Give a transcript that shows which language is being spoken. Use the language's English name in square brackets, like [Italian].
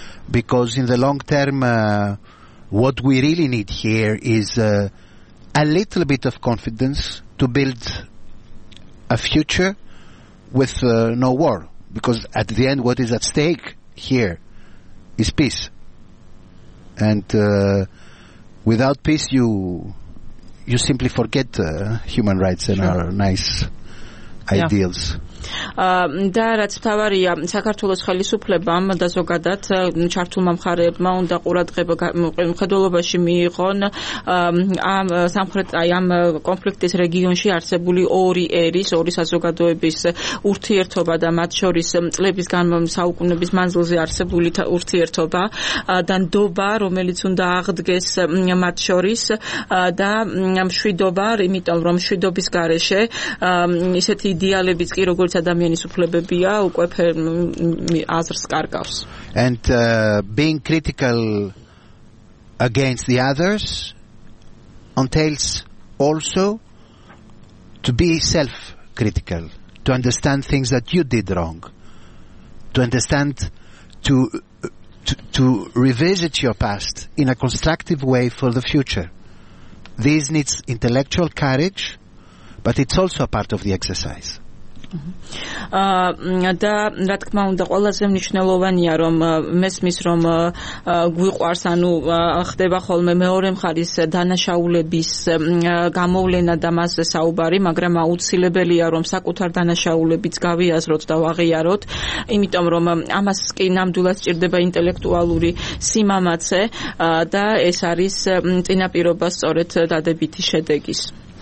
[English] Because in the long term, what we really need here is a little bit of confidence to build a future with no war. Because at the end, what is at stake here is peace. And without peace, you simply forget human rights and our nice ideals. [Georgian] Და რაც მთავარია საქართველოს ხელისუფლებამ და ზოგადად ჩართულმა მხარეებმა უნდა ყურადღება მხედველობაში მიიღონ ამ სამხრეთ ამ კონფლიქტის რეგიონში არსებული ორი ერის ორი საზოგადოების ურთიერთობა და მათ შორის წლების განმავლობაში საუკუნეების მანძილზე არსებული ურთიერთობა და ნდობა რომელიც უნდა აღდგეს მათ შორის და მშვიდობა იმიტომ რომ მშვიდობის გარეშე ისეთი იდეალები კი როგორ ადამიანის უფლებებია უკვე აზრს კარგავს. [English] And being critical against the others entails also to be self-critical, to understand things that you did wrong, to understand to revisit your past in a constructive way for the future. This needs intellectual courage, but it's also a part of the exercise. [Georgian] Და რა თქმა უნდა ყველაზე მნიშვნელოვანია რომ მესმის რომ გვიყვარს ანუ ხდება ხოლმე მეორე მხარის დანაშაულების გამოვლენა და მასზე საუბარი მაგრამ აუცილებელია რომ საკუთარ დანაშაულებიც გავიაზროთ და ვაღიაროთ იმიტომ რომ ამას კი ნამდვილად სჭირდება ინტელექტუალური სიმამაცე და ეს არის წინაპირობა სწორედ დადებითი შედეგის